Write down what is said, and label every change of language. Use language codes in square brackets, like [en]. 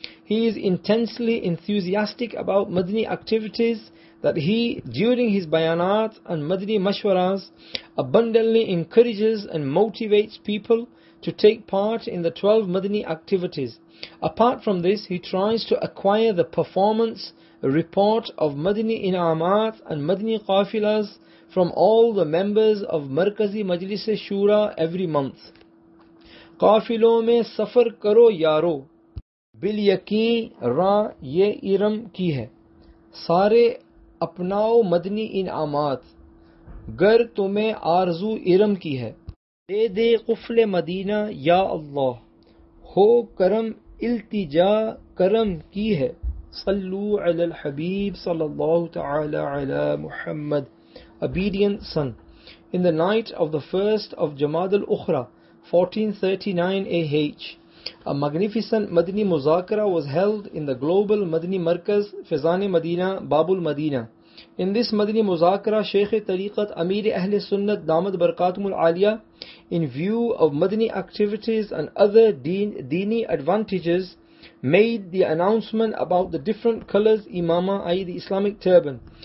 [en] He is intensely enthusiastic about Madani activities that he, during his bayanat and Madani mashwaras, abundantly encourages and motivates people to take part in the 12 Madani activities. Apart from this, he tries to acquire the performance report of Madani Inamat and Madani Qafilas from all the members of Markazi Majlis-e Shura every month. [ur] قافلوں میں سفر کرو یارو بالیقین را یہ ارم کی ہے سارے اپناؤ مدنی انعامات گر تمہیں آرزو ارم کی ہے دے دے قفل مدینہ یا اللہ ہو کرم التجا کرم کی ہے صلو علی الحبیب صلی اللہ تعالی علی محمد. [en] Obedient son, in the night of the first of Jamad al-Ukhra 1439 AH, a magnificent Madani Muzakara was held in the global Madani Markaz, Fizani Madina, Babul Madina. In this Madani Muzakara, Shaykh Tariqat Amir Ahl-e Sunnat Damat Barakatumul Aliyah, in view of Madani activities and other Dini advantages, made the announcement about the different colors Imama, i.e. the Islamic turban.